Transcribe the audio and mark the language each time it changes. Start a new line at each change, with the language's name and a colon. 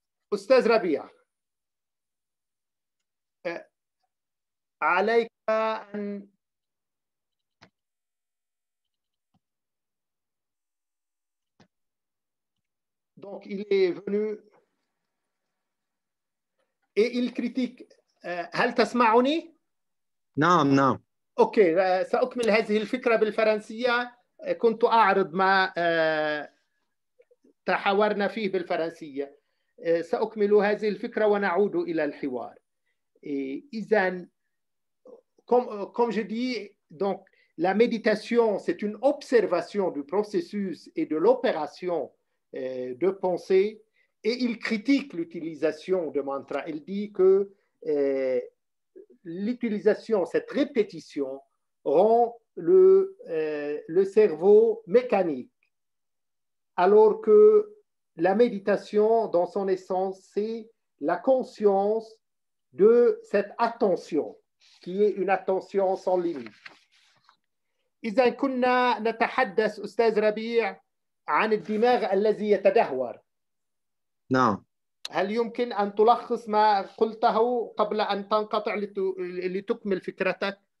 French: Oustaz Rabia,
Arabic: alayka an
French: donc il est venu et il critique.
Arabic: هل تسمعني؟ نعم نعم. أوكي سأكمل هذه الفكرة بالفرنسية. كنت أعرض ما تحاورنا فيه بالفرنسية. سأكمل هذه الفكرة ونعود إلى الحوار.
French: إذن comme je dis, donc la méditation c'est une observation du processus et de l'opération de pensée Et il critique l'utilisation de mantra. Il dit que l'utilisation, cette répétition, rend le cerveau mécanique. Alors que la méditation, dans son essence, c'est la conscience de cette attention, qui est une attention sans limite.
Arabic: إذن كنا نتحدث أستاذ ربيع عن الدماغ الذي يتدهور. نعم. هل يمكن أن تلخص ما قلته قبل أن تنقطع لتكمل فكرتك؟